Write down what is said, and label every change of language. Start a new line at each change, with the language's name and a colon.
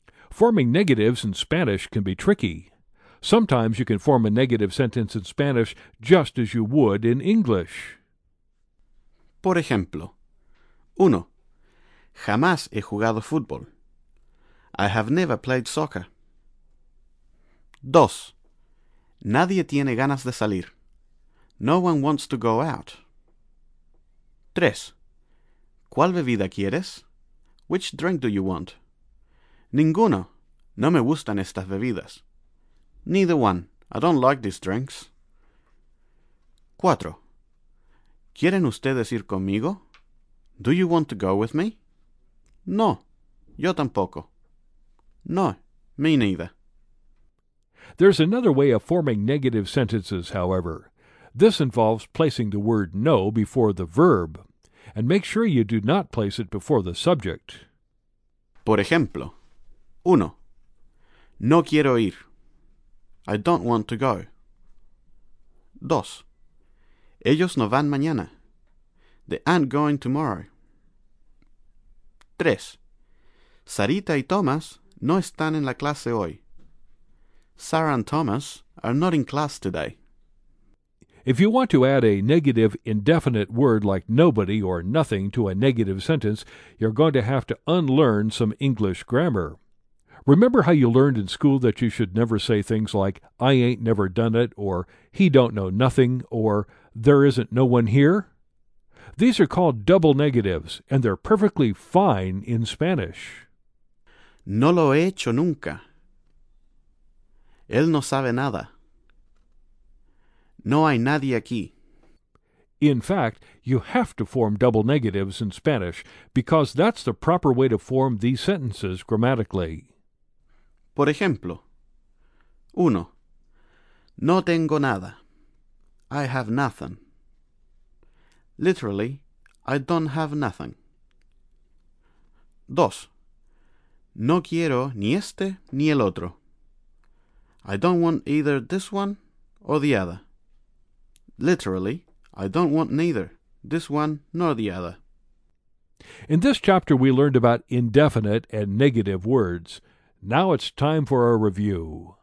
English: Forming negatives in Spanish can be tricky. Sometimes you can form a negative sentence in Spanish just as you would in English.
Spanish: Por ejemplo, uno, jamás he jugado fútbol.
English: I have never played soccer.
Spanish: Dos, nadie tiene ganas de salir.
English: No one wants to go out.
Spanish: Tres, ¿cuál bebida quieres?
English: Which drink do you want?
Spanish: Ninguno, no me gustan estas bebidas.
English: Neither one, I don't like these drinks.
Spanish: Cuatro, ¿quieren ustedes ir conmigo?
English: Do you want to go with me?
Spanish: No, yo tampoco.
English: No, me neither. There's another way of forming negative sentences, however. This involves placing the word no before the verb. And make sure you do not place it before the subject.
Spanish: Por ejemplo, uno. No quiero ir.
English: I don't want to go.
Spanish: Dos. Ellos no van mañana.
English: They aren't going tomorrow.
Spanish: Tres. Sarita y Thomas no están en la clase hoy.
English: Sarah and Thomas are not in class today. If you want to add a negative indefinite word like nobody or nothing to a negative sentence, you're going to have to unlearn some English grammar. Remember how you learned in school that you should never say things like, I ain't never done it, or he don't know nothing, or there isn't no one here? These are called double negatives, and they're perfectly fine in Spanish.
Spanish: No lo he hecho nunca. Él no sabe nada. No hay nadie aquí.
English: In fact, you have to form double negatives in Spanish because that's the proper way to form these sentences grammatically.
Spanish: Por ejemplo, uno, no tengo nada.
English: I have nothing. Literally, I don't have nothing.
Spanish: Dos, no quiero ni este ni el otro.
English: I don't want either this one or the other. Literally, I don't want neither this one nor the other. In this chapter, we learned about indefinite and negative words. Now it's time for a review.